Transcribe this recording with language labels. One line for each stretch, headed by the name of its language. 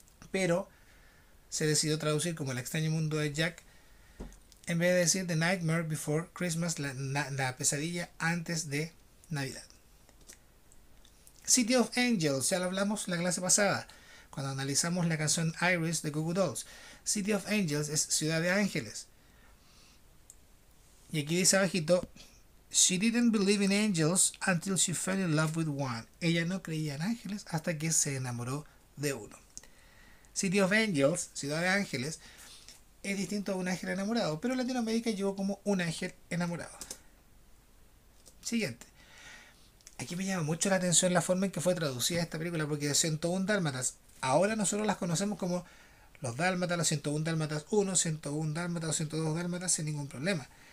Spanish: Pero se decidió traducir como El extraño mundo de Jack en vez de decir The Nightmare Before Christmas, la pesadilla antes de Navidad. City of Angels, ya lo hablamos la clase pasada, cuando analizamos la canción Iris de Goo Goo Dolls. City of Angels es Ciudad de Ángeles. Y aquí dice abajito,
English: She didn't believe in angels until she fell in love with one.
Spanish: Ella no creía en ángeles hasta que se enamoró de uno. City of Angels, Ciudad de Ángeles, es distinto a un ángel enamorado, pero Latinoamérica llegó como un ángel enamorado. Siguiente. Aquí me llama mucho la atención la forma en que fue traducida esta película, porque 101 Dálmatas, ahora nosotros las conocemos como los Dálmatas, los 101 Dálmatas 1, 101 Dálmatas, 102 Dálmatas, sin ningún problema.